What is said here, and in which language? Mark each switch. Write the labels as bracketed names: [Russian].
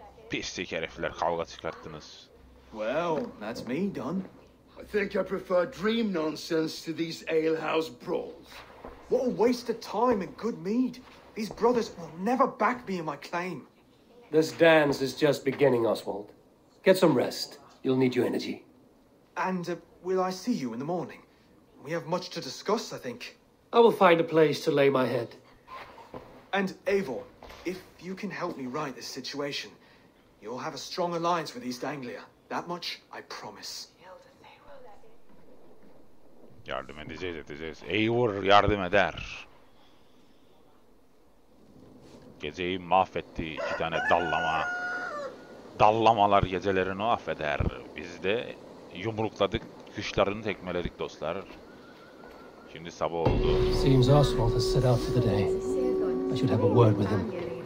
[Turkish] Pislik herifler, kavga çıkarttınız. [English] Well, that's me done. I think I prefer dream nonsense to these alehouse brawls. What a waste of time and good mead. These brothers will never back me in my claim. This dance is just beginning, Oswald. Get some rest. You'll need your energy. And will I see you in the morning? We have much to discuss, I think. I will find a place to lay my head. And Eivor, if you can help me right this situation, you'll have a strong alliance with East Anglia. That much, I promise. [Turkish] Yardım edeceğiz, edeceğiz. Eivor yardım eder. Geceyi mahvetti iki tane dallama. Dallamalar gecelerini affeder. Biz de yumrukladık, kuşlarını tekmeledik dostlar. Şimdi sabah oldu. [English] Seems Oswald has set out for the day. I should have a word with him.